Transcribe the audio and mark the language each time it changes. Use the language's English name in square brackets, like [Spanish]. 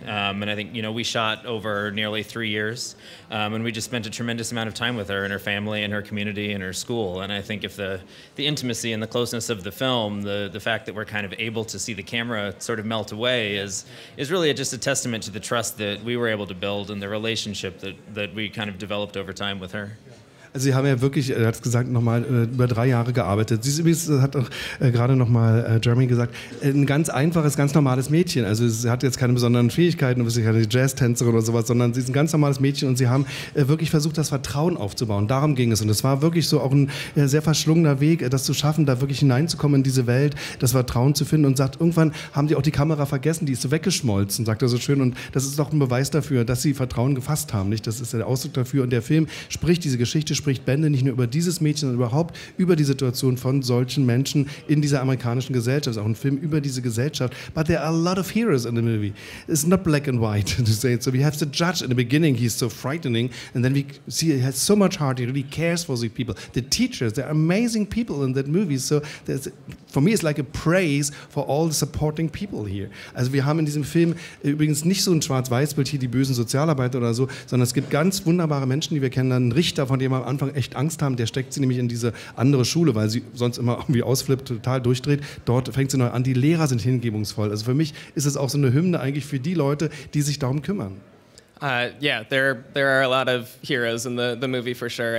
[English] And I think, you know, we shot over nearly 3 years, and we just spent a tremendous amount of time with her and her family and her community and her school. And I think if the intimacy and the closeness of the film, the fact that we're kind of able to see the camera sort of melt away is really just a testament to the trust that we were able to build and the relationship that we kind of developed over time with her. [German] Also sie haben ja wirklich, er hat es gesagt, nochmal über 3 Jahre gearbeitet. Sie ist übrigens, das hat auch gerade nochmal Jeremy gesagt, ein ganz einfaches, ganz normales Mädchen. Also sie hat jetzt keine besonderen Fähigkeiten, sie ist keine Jazz-Tänzerin oder sowas, sondern sie ist ein ganz normales Mädchen, und sie haben wirklich versucht, das Vertrauen aufzubauen. Darum ging es. Und es war wirklich so auch ein sehr verschlungener Weg, das zu schaffen, da wirklich hineinzukommen in diese Welt, das Vertrauen zu finden. Und sagt, irgendwann haben die auch die Kamera vergessen, die ist weggeschmolzen, sagt er so schön. Und das ist doch ein Beweis dafür, dass sie Vertrauen gefasst haben. Nicht? Das ist der Ausdruck dafür. Und der Film spricht diese Geschichte spricht Bände nicht nur über dieses Mädchen, sondern überhaupt über die Situation von solchen Menschen in dieser amerikanischen Gesellschaft. Es ist auch ein Film über diese Gesellschaft. [English] But there are a lot of heroes in the movie. It's not black and white to say it. So we have to judge in the beginning. He's so frightening. And then we see he has so much heart. He really cares for these people. The teachers, they're amazing people in that movie. So there's, for me, it's like a praise for all the supporting people here. [German] Also wir haben in diesem Film übrigens nicht so ein Schwarz-Weiß-Bild hier, die bösen Sozialarbeiter oder so, sondern es gibt ganz wunderbare Menschen, die wir kennen. Dann ein Richter, von dem wir am Anfang echt Angst haben, der steckt sie nämlich in diese andere Schule, weil sie sonst immer irgendwie ausflippt, total durchdreht. Dort fängt sie neu an. Die Lehrer sind hingebungsvoll. Also für mich ist es auch so eine Hymne eigentlich für die Leute, die sich darum kümmern. [English] There are a lot of heroes in the movie for sure.